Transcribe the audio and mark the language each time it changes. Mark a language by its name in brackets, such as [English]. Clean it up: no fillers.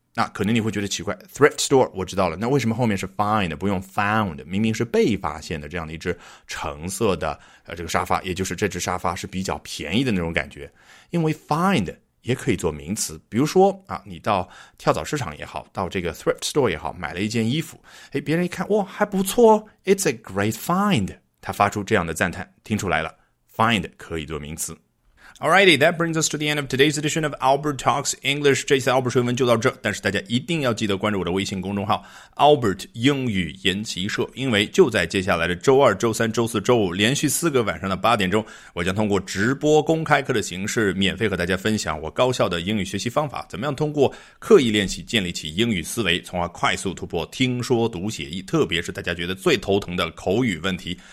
[Chinese] 那可能你会觉得奇怪， thrift store 我知道了，那为什么后面是 find 不用 found， 明明是被发现的这样的一只橙色的、这个沙发，也就是这只沙发是比较便宜的那种感觉。因为 find也可以做名词，比如说啊，你到跳蚤市场也好，到这个 thrift store 也好，买了一件衣服，诶，别人一看，哇，还不错， [English] it's a great find， [Chinese] 他发出这样的赞叹，听出来了， find 可以做名词。 [English] Alrighty, that brings us to the end of today's edition of Albert Talks English. [Chinese] 这次 Albert 说文就到这，但是大家一定要记得关注我的微信公众号 Albert 英语研习社，因为就在接下来的周二、周三、周四、周五连续四个晚上的八点钟，我将通过直播公开课的形式免费和大家分享我高效的英语学习方法，怎么样通过刻意练习建立起英语思维，从而快速突破听说读写译，特别是大家觉得最头疼的口语问题。